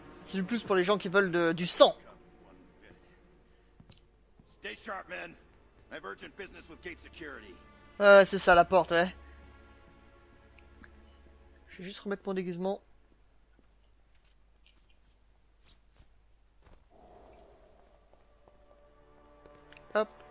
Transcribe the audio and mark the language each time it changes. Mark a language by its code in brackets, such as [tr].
[fr] C'est du plus pour les gens qui veulent du sang. [en] Stay sharp, man. I've urgent business with gate security. [fr] Ouais, c'est ça la porte, ouais. Je vais juste remettre mon déguisement. Hop.